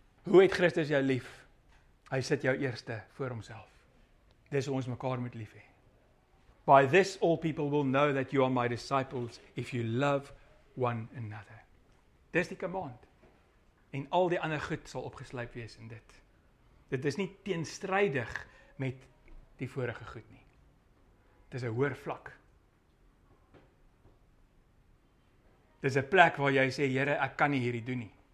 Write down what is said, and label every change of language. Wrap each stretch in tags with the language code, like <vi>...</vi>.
<af>Hoe het Christus jou lief? Hy sit jou eerste voor homself. Dis hoe ons mekaar moet lief hê.</af> <en>By this all people will know that you are my disciples if you love one another.</en> <af>Dis die command. En al die ander goed sal opgesluip wees in dit. Dit is nie teenstrydig met die vorige goed nie. Dit is 'n hoër vlak. Dit is 'n plek waar jy sê, Here, ek kan nie hierdie doen nie.</af>